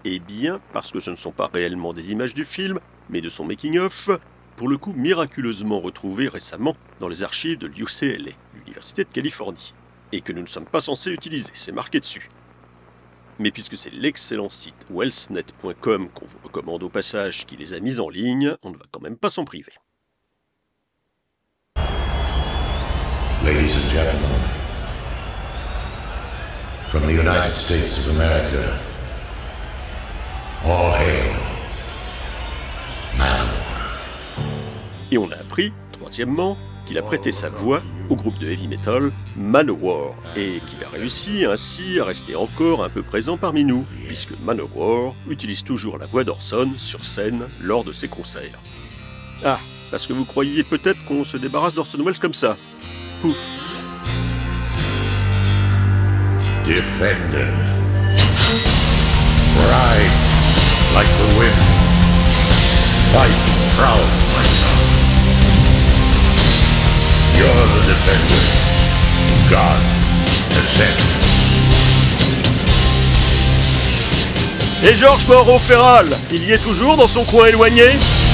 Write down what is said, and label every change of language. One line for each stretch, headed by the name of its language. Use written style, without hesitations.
French: Eh bien, parce que ce ne sont pas réellement des images du film, mais de son making-of, pour le coup miraculeusement retrouvé récemment dans les archives de l'UCLA, l'Université de Californie, et que nous ne sommes pas censés utiliser, c'est marqué dessus. Mais puisque c'est l'excellent site wellsnet.com qu'on vous recommande au passage qui les a mis en ligne, on ne va quand même pas s'en priver.
English: Ladies and gentlemen, from the United States of America, all hail Manowar.
French: Et on a appris, troisièmement, qu'il a prêté sa voix au groupe de heavy metal Manowar, et qu'il a réussi ainsi à rester encore un peu présent parmi nous, puisque Manowar utilise toujours la voix d'Orson sur scène lors de ses concerts. Ah, parce que vous croyez peut-être qu'on se débarrasse d'Orson Welles comme ça. Pouf.
English: Defender, ride like the wind, fight proud like God. You're the defender God has sent.
French: Et Georges Moreau Ferral, il y est toujours dans son coin éloigné ?